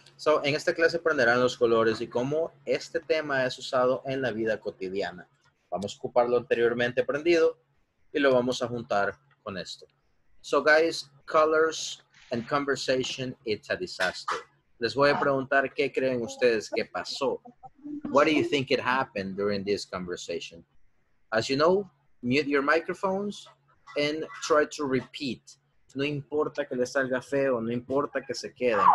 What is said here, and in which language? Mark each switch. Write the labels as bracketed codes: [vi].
[es] So, en esta clase aprenderán los colores y cómo este tema es usado en la vida cotidiana. Vamos a ocupar lo anteriormente aprendido y lo vamos a juntar con esto. [en] So, guys, colors and conversation, it's a disaster. [es] Les voy a preguntar, ¿qué creen ustedes que pasó? [en] What do you think it happened during this conversation? As you know, mute your microphones and try to repeat. [es] No importa que les salga feo, no importa que se queden.